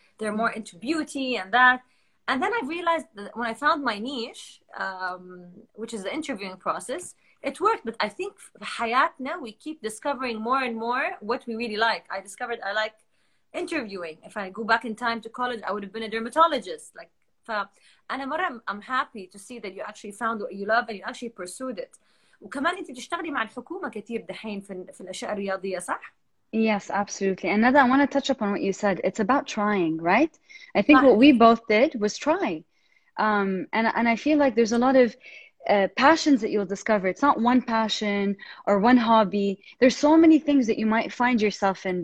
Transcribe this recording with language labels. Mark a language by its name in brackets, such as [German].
[English] They're more into beauty and that. And then I realized that when I found my niche, which is the interviewing process, it worked. But I think حياتنا, we keep discovering more and more what we really like. I discovered I like interviewing. If I go back in time to college, I would have been a dermatologist. Like, [Arabic] فأنا مرة [English] I'm happy to see that you actually found what you love and you actually pursued it. [Arabic] وكمان انت بتشتغلي مع الحكومة كتير دحين في الأشياء الرياضية صح؟ [English] Yes, absolutely. And Nada, I want to touch upon what you said. It's about trying, right? I think [Arabic] صح [English] what we both did was try. And I feel like there's a lot of passions that you'll discover. It's not one passion or one hobby. There's so many things that you might find yourself in.